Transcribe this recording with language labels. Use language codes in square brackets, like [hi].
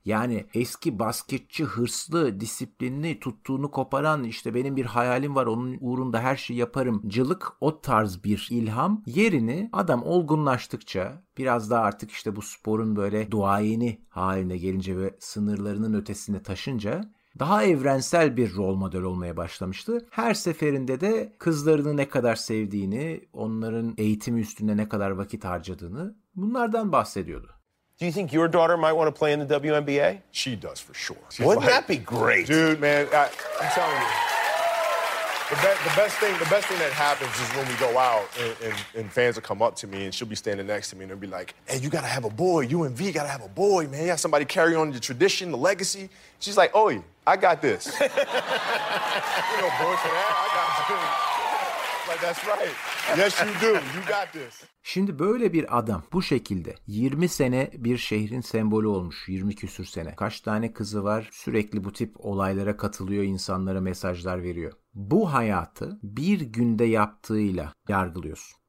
[tr] Yani eski basketçi, hırslı, disiplinli, tuttuğunu koparan, işte benim bir hayalim var onun uğrunda her şeyi yaparımcılık, o tarz bir ilham yerini adam olgunlaştıkça, biraz daha artık işte bu sporun böyle duayeni haline gelince ve sınırlarının ötesine taşınca daha evrensel bir rol model olmaya başlamıştı. Her seferinde de kızlarını ne kadar sevdiğini, onların eğitimi üstünde ne kadar vakit harcadığını, bunlardan bahsediyordu. [en] Do you think your daughter might want to play in the WNBA? She does for sure. Wouldn't that be great? Dude, man, I'm telling you. The best thing that happens is when we go out and fans will come up to me and she'll be standing next to me and they'll be like, hey, you gotta have a boy. You and V gotta have a boy, man. You got somebody carry on the tradition, the legacy. She's like, oi, I got this. You know, boy for that, I got you. That's right. Yes, you do. You got this. [tr] Şimdi böyle bir adam bu şekilde 20 sene bir şehrin sembolü olmuş, 20 küsür sene. Kaç tane kızı var, sürekli bu tip olaylara katılıyor, insanlara mesajlar veriyor. Bu hayatı bir günde yaptığıyla yargılıyorsun.